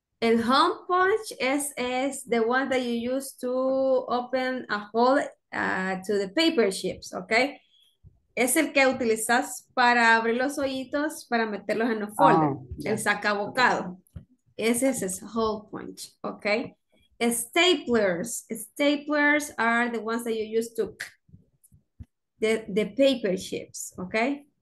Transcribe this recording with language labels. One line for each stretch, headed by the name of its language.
English: El Whole Punch es the one that you use to open a hole to the paper chips, okay?
Spanish: Es el que utilizas para abrir los hoyitos para meterlos en los folder. El sacabocado. Ese es Whole Punch, okay?
English: Staplers are the ones that you use to the paper chips, okay?